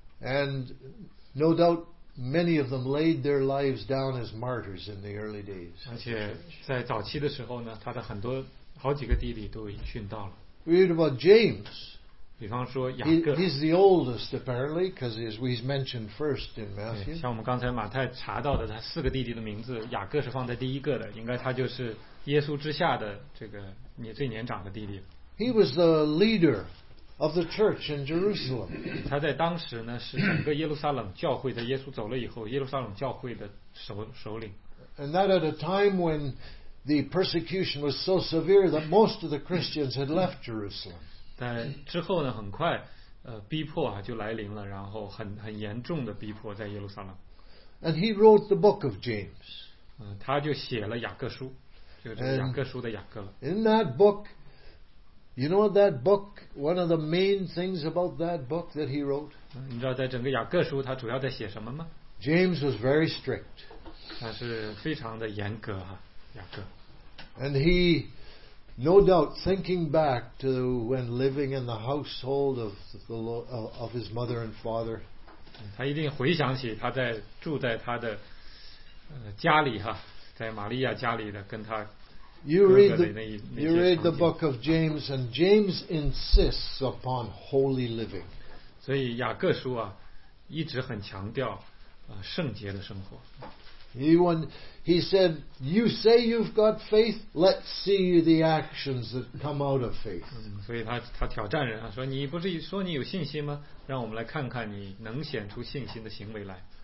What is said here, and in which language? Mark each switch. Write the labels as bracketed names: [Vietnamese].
[English] And no doubt many of them laid their lives down as martyrs in the early days. [Chinese] 而且在早期的时候呢，他的很多好几个弟弟都殉道了。 [English] We read about James. [Chinese] 比方说雅各 [English] he's the oldest apparently because he's mentioned first in Matthew. [Chinese] 像我们刚才马太查到的他四个弟弟的名字雅各是放在第一个的应该他就是耶稣之下的这个你最年长的弟弟 [English] He was the leader of the church in Jerusalem. [Chinese] 他在当时呢是整个耶路撒冷教会的耶稣走了以后耶路撒冷教会的 首领 [English] And that at a time when the persecution was so severe that most of the Christians had left Jerusalem. [Chinese] 但之后呢，很快，逼迫啊就来临了，然后很严重的逼迫在耶路撒冷。 [English] And he wrote the book of James. [Chinese] 他就写了雅各书，就是雅各书的雅各了。 [English] In that book, You know that book, one of the main things about that book that he wrote? [Chinese] 你知道在整个雅各书他主要在写什么吗？ [English] James was very strict. [Chinese] 他是非常的严格啊，雅各。 [English] And he, no doubt, thinking back to when living in the household of, the Lord, of his mother and father. [Chinese] 他一定回想起他在住在他的家里哈，在玛利亚家里的跟他。 [English] You read the book of James, and James insists upon holy living. [Chinese] 所以雅各书啊，一直很强调啊圣洁的生活。 [English] He said, "You say you've got faith. Let's see the actions that come out of faith." [Chinese] 所以他挑战人啊，说你不是说你有信心吗？让我们来看看你能显出信心的行为来。